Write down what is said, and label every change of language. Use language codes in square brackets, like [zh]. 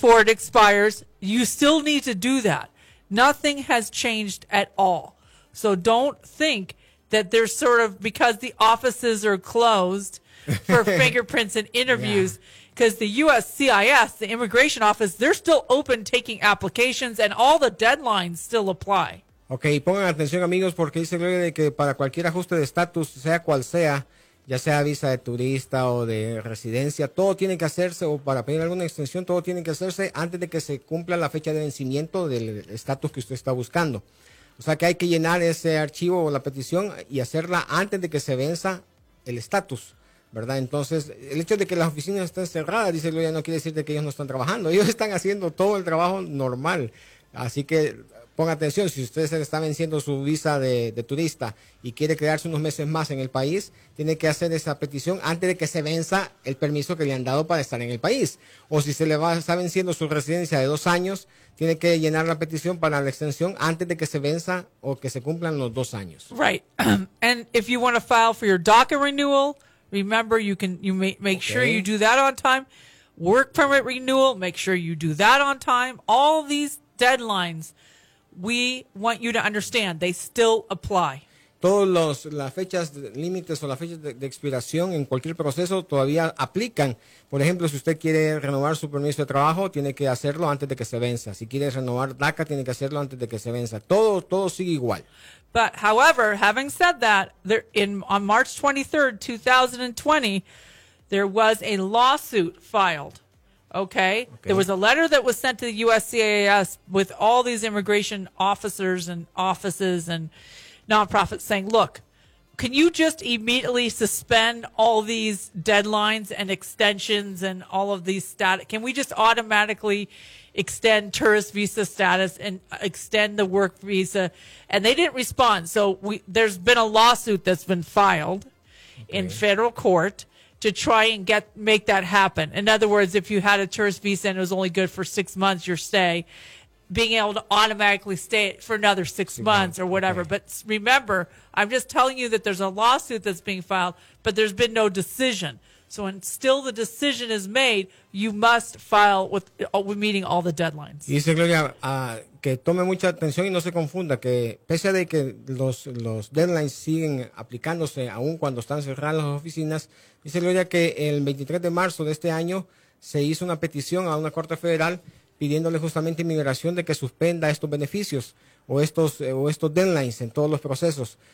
[en] it expires, you still need to do that. Nothing has changed at all. So don't think that there's sort of, because the offices are closed for fingerprints and interviews, because the USCIS, the immigration office, they're still open taking applications and all the deadlines still apply. [es] Okay, pongan atención, amigos, porque dice Gloria de que para cualquier ajuste de estatus, sea cual sea, ya sea visa de turista o de residencia, todo tiene que hacerse, o para pedir alguna extensión, todo tiene que hacerse antes de que se cumpla la fecha de vencimiento del estatus que usted está buscando. O sea que hay que llenar ese archivo o la petición y hacerla antes de que se venza el estatus, ¿verdad? Entonces, el hecho de que las oficinas estén cerradas, dice Gloria, no quiere decir de que ellos no están trabajando. Ellos están haciendo todo el trabajo normal. Así que ponga atención, si usted se está venciendo su visa de turista y quiere quedarse unos meses más en el país, tiene que hacer esa petición antes de que se venza el permiso que le han dado para estar en el país. O si se le va, está venciendo su residencia de 2 años, tiene que llenar la petición para la extensión antes de que se venza o que se cumplan los 2 años. [en] Right. And if you want to file for your DACA renewal, remember you make sure you do that on time. Work permit renewal, make sure you do that on time. All these deadlines, we want you to understand, they still apply. [es] Todos los las fechas límites o las fechas de expiración en cualquier proceso todavía aplican. Por ejemplo, si usted quiere renovar su permiso de trabajo, tiene que hacerlo antes de que se venza. Si quiere renovar DACA, tiene que hacerlo antes de que se venza. Todo sigue igual. [en] But however, having said that, there on March 23rd, 2020, there was a lawsuit filed. Okay. There was a letter that was sent to the USCIS with all these immigration officers and offices and nonprofits saying, look, can you just immediately suspend all these deadlines and extensions and all of these status? Can we just automatically extend tourist visa status and extend the work visa? And they didn't respond. So there's been a lawsuit that's been filed in federal court to try and make that happen. In other words, if you had a tourist visa and it was only good for 6 months, your stay, being able to automatically stay for another six months or whatever. Okay. But remember, I'm just telling you that there's a lawsuit that's being filed, but there's been no decision. So until the decision is made, you must file with meeting all the deadlines. [es] Dice Gloria, que tome mucha atención y no se confunda, que pese a de que los deadlines siguen aplicándose aún cuando están cerradas las oficinas, dice Gloria que el 23 de marzo de este año se hizo una petición a una corte federal pidiéndole justamente inmigración de que suspenda estos beneficios o estos deadlines en todos los procesos.